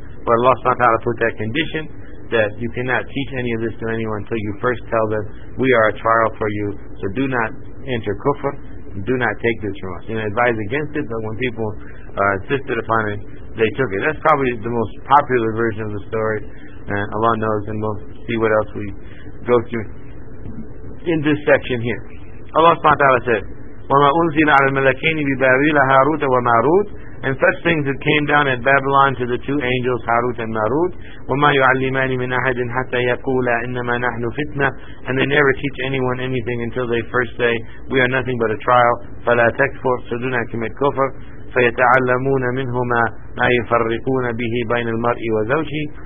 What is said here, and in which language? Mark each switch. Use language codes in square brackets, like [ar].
[en] But Allah subhanahu wa ta'ala put that condition that you cannot teach any of this to anyone until you first tell them, we are a trial for you, so do not enter kufr. Do not take this from us. You know, advise against it, but when people insisted upon it, they took it. That's probably the most popular version of the story, and Allah knows, and we'll see what else we go through in this section here. Allah subhanahu wa ta'ala said, [ar] وَمَا أُنزِلَ عَلَى الْمَلَكَيْنِ بِبَابِيلَ هَارُوتَ وَمَارُوتَ. [en] And such things that came down at Babylon to the two angels, Harut and Marut. [ar] وَمَا يُعَلِّمَانِ مِنْ أَحَدٍ حَتَّى يَقُولَ إِنَّمَا نَحْنُ فِتْنَةٌ. [en] And they never teach anyone anything until they first say, we are nothing but a trial. [ar] فَلَا تَكْفُرْ. [en] So do not commit kufr. [ar] فَيَتَعَلَّمُونَ مِنْهُمَا مَا يُفَرِّقُونَ بِهِ بَيْنَ الْمَرْءِ وَزَوْجِهِ.